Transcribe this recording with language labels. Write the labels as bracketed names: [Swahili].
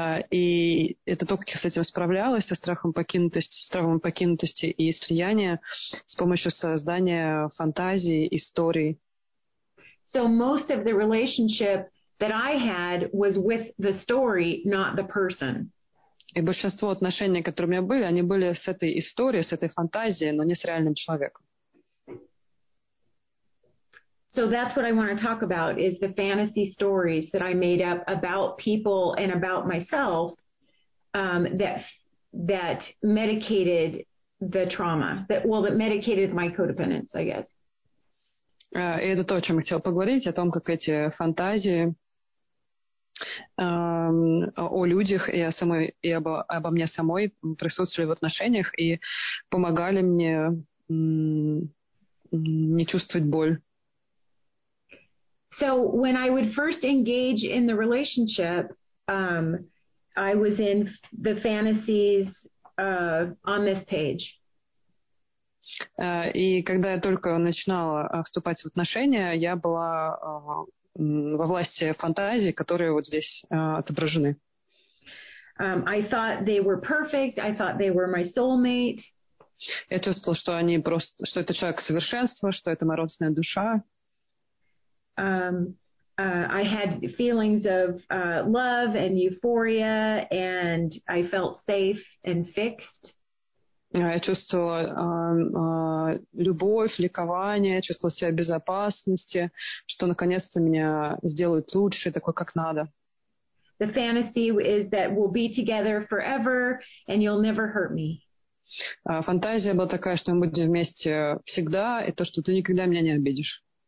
[Russian] И это то, как я с этим справлялась, со страхом покинутости, с травмой покинутости и слияния с помощью создания фантазий, историй. [English] So most of the relationship that I had was with the story, not the person. [Russian] И большинство отношений, которые у меня были, они были с этой историей, с этой фантазией, но не с реальным человеком. [English] So that's what I want to talk about, is the fantasy stories that I made up about people and about myself that medicated the trauma. That medicated my codependence, I guess. [Russian] И это то, о чем я хотела поговорить, о том, как эти фантазии о людях и о самой, и обо мне самой присутствовали в отношениях и помогали мне не чувствовать боль. [English] So when I would first engage in the relationship, I was in the fantasies on this page. [Russian] И когда я только начинала вступать в отношения, я была во власти фантазий, которые вот здесь отображены. [English] I thought they were perfect. I thought they were my soulmate. [Russian] Я чувствовала, что они просто, что это человек совершенства, что это моя родственная душа. [English] I had feelings of love and euphoria, and I felt safe and fixed. [Russian] Я чувствовала любовь, ликование, чувствовала себя в безопасности, что наконец-то меня сделают лучше, такой, как надо. [English] The fantasy is that we'll be together forever, and you'll never hurt me. [Russian] Фантазия была такая, что мы будем вместе всегда, и то, что ты никогда меня не обидишь.